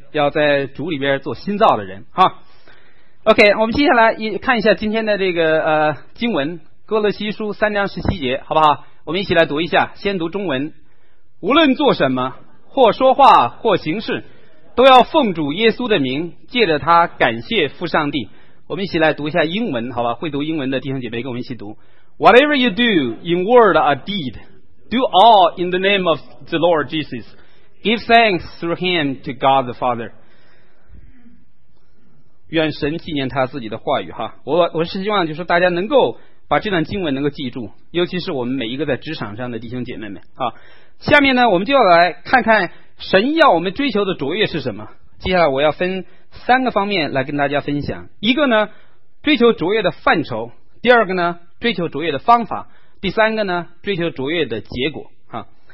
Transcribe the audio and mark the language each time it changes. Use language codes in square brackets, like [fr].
[zh] 要在主里边做新造的人哈。OK， 我们接下来看一下今天的这个经文，哥罗西书三章十七节，好不好？我们一起来读一下，先读中文。无论做什么，或说话或行事，都要奉主耶稣的名，借着他感谢父上帝。我们一起来读一下英文，好吧？会读英文的弟兄姐妹跟我们一起读。 [en] Whatever you do in word or deed, do all in the name of the Lord Jesus. Give thanks through him to God the Father. [zh] 愿神纪念他自己的话语哈。我是希望就是大家能够把这段经文能够记住，尤其是我们每一个在职场上的弟兄姐妹们啊。下面呢我们就要来看看神要我们追求的卓越是什么。接下来我要分三个方面来跟大家分享，一个呢追求卓越的范畴，第二个呢追求卓越的方法，第三个呢追求卓越的结果啊。